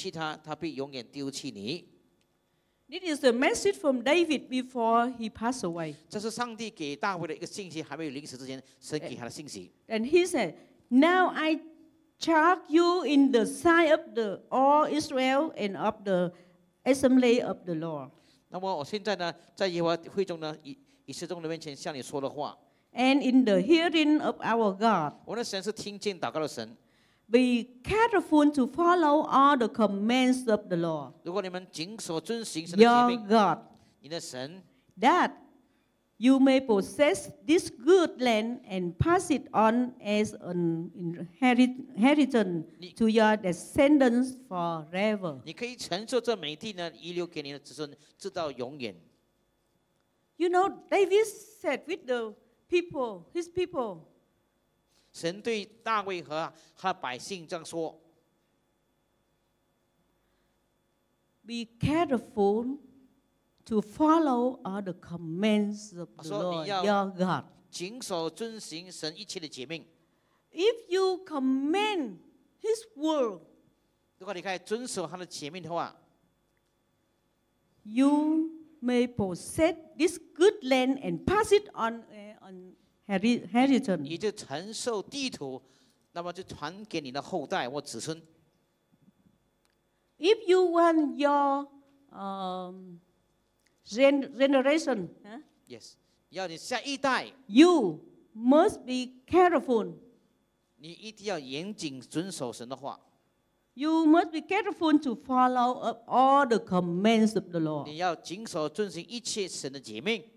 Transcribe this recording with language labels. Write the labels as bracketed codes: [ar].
[zh] 我儿所罗门啊，你当认识耶和华你父的神，诚心乐意地侍奉他，因为他监察众人的心，知道一切心思意念。你若寻求他，他必使你寻见；你若离弃他，他必永远丢弃你。 [en] This is the message from David before he passed away. [zh] 这是上帝给大卫的一个信息，还没有临死之前神给他的信息。 [en] And he said, Now I charge you in the sight of the all Israel and of the assembly of the Lord. [zh] 那么我现在呢，在耶和华会众呢以色列众人面前向你说的话。 [en] And in the hearing of our God. [zh] 我的神是听见祷告的神。 [en] Be careful to follow all the commands of the Lord. [zh] 如果你们谨守遵行神的诫命。 [en] Your God. [zh] 你的神。 [en] That you may possess this good land and pass it on as an inheritance to your descendants forever. [zh] 你可以承受这美地呢，遗留给你的子孙，直到永远。 [en] You know, David said with the people, his people. [zh] 神对大卫和他百姓这样说。 [en] be careful to follow all the commands of the Lord your God. [zh] 谨守遵行神一切的诫命。 [en] If you command His word, [zh] 如果你可以遵守他的诫命的话, [en] you may possess this good land and pass it on inheritance. [zh] 你就承受地土, 那么就传给你的后代或子孙。 [en] If you want your generation, [zh] yes, 要你下一代, [en] you must be careful. [zh] 你一定要严谨遵守神的话。 [en] You must be careful to follow up all the commands of the Lord. [zh] 你要谨守遵行一切神的诫命。